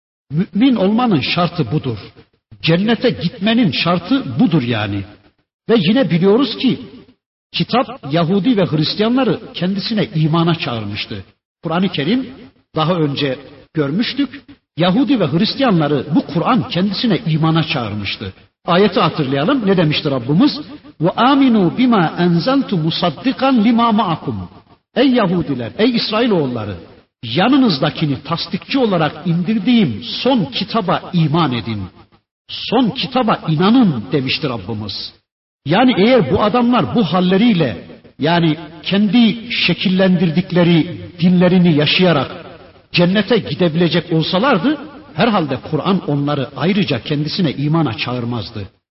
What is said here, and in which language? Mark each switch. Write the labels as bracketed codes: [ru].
[tr] Mümin olmanın şartı budur. Cennete gitmenin şartı budur yani. Ve yine biliyoruz ki kitap Yahudi ve Hristiyanları kendisine imana çağırmıştı. Kur'an-ı Kerim daha önce görmüştük. Yahudi ve Hristiyanları bu Kur'an kendisine imana çağırmıştı. Ayeti hatırlayalım. Ne demiştir Rabbimiz? [ar] وَاَمِنُوا بِمَا اَنْزَلْتُ مُصَدِّقًا لِمَا مَعَكُمْ [tr] Ey Yahudiler, ey İsrailoğulları! Yanınızdakini tasdikçi olarak indirdiğim son kitaba iman edin. Son kitaba inanın demiştir Rabbimiz. Yani eğer bu adamlar bu halleriyle, yani kendi şekillendirdikleri dinlerini yaşayarak cennete gidebilecek olsalardı, herhalde Kur'an onları ayrıca kendisine imana çağırmazdı.